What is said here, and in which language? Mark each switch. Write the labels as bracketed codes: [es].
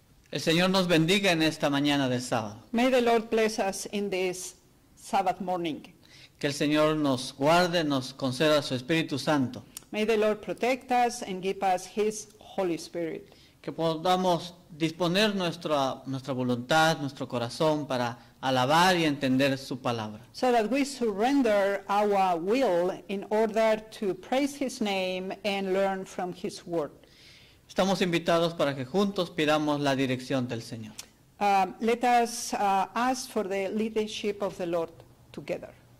[es] El Señor nos bendiga en esta mañana de sábado. [en] May the Lord bless us in this Sabbath morning. [es] Que el Señor nos guarde, nos conceda su Espíritu Santo. [en] May the Lord protect us and give us His Holy Spirit. [es] Que podamos disponer nuestra voluntad, nuestro corazón para alabar y entender su palabra. [en] So that we surrender our will in order to praise His name and learn from His word. [es] Estamos invitados para que juntos pidamos la dirección del Señor. [en] Let us ask for the leadership of the Lord together.